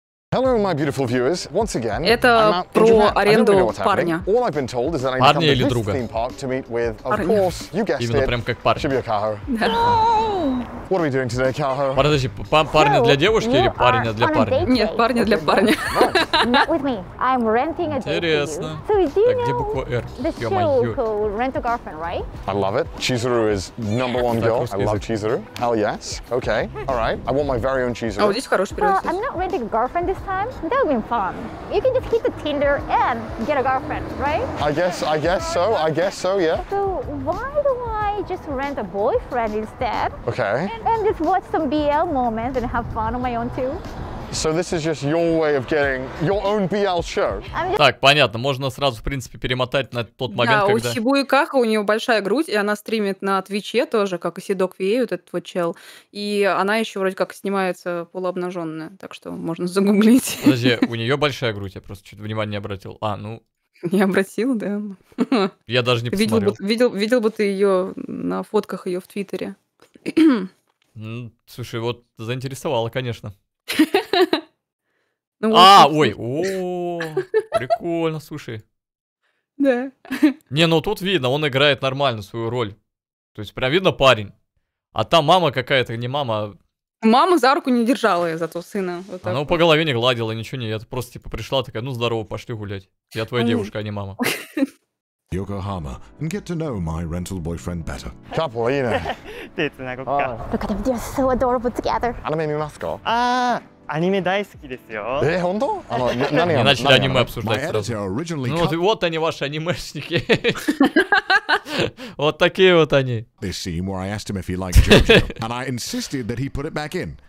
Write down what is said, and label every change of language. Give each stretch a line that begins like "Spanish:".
English: Hello, my beautiful viewers. Once again,
Russian: это про аренду парня.
English: All I've been told is that I need to come to this theme park to meet with, of course, you guessed it.
Russian: Именно прям как парень.
English: Should be a Kaho. What are we doing today, Kaho?
Russian: Подожди, парня для девушки или парня для парня? Нет, парня для парня.
English: Not with me. I'm renting a date.
Russian: Интересно.
English: So do you know the show called Rent a Girlfriend, right? I love it. Chizuru is number one girl. I love Chizuru. Hell yes. Okay. All right. I want my very own Chizuru.
Russian: Oh, здесь хороший перевод.
English: I'm not renting a girlfriend. This time, that would be fun. You can just keep the Tinder and get a girlfriend, right? I guess so, yeah. So why do I just rent a boyfriend instead? Okay. And just watch some BL moments and have fun on my own too? So this is just your way of getting your own BL show.
Russian: Так, понятно. Можно сразу, в принципе, перемотать на тот момент, когда... Да, у Сибуи Каха, у нее большая грудь, и она стримит на Твиче тоже, как и Сидок Вей, вот этот вот чел. И она еще вроде как снимается полуобнаженная, так что можно загуглить. Подожди, у нее большая грудь, я просто чуть внимания не обратил. А, ну... Не обратил, да. Я даже не посмотрел. Видел бы ты ее на фотках ее в Твиттере. Слушай, вот заинтересовала, конечно. Ну, вот, ой, прикольно, слушай. Да. Не, ну тут видно, он играет нормально свою роль. То есть прям видно парень. А там мама какая-то, не мама. Мама за руку не держала ее, зато сына. Вот она вот по голове не гладила, ничего не. Я просто типа пришла такая, ну здорово, пошли гулять. Я твоя девушка, а не мама.
English: Yokohama, and get to know my rental boyfriend better. Couple, you know. Look at them, they're so adorable together.
Japanese: Anime ni nasuka? Аниме 大好きですよ. Э, хондо? Ано, нане?
Russian: Не начали аниме обсуждать сразу. Ну вот они, ваши анимешники. Вот такие вот они.
English: This scene where I asked him if he liked JoJo, and I insisted that he put it back in.